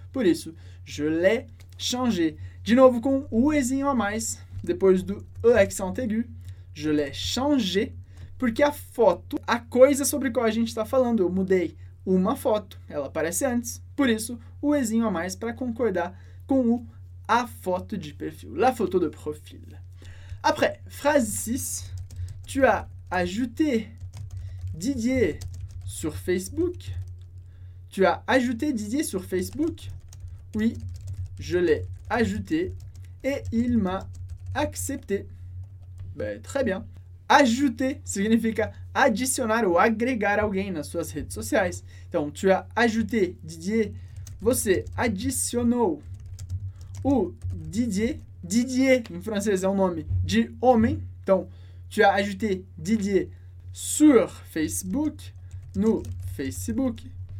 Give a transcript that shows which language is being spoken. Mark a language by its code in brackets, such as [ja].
[pt] Por isso, [fr] je l'ai changé. [pt] De novo, com o ezinho a mais, depois do e accent aigu, je l'ai changé, porque a foto, a coisa sobre qual a gente está falando, eu mudei uma foto. Ela aparece antes. Por isso, o Ezinho a mais para concordar com o a foto de perfil. [fr] La photo de profil. Après, phrase 6. Tu as ajouté Didier sur Facebook. Tu as ajouté Didier sur Facebook. Oui, je l'ai ajouté et il m'a accepté. Ben, très bien. [pt] Ajouter significa adicionar ou agregar alguém nas suas redes sociais. Então, [fr] tu as ajouté Didier. [pt] Você adicionou o Didier. Didier, em francês, é um nome de homem. Então, [fr] tu as ajouté Didier sur Facebook, [pt] no Facebook.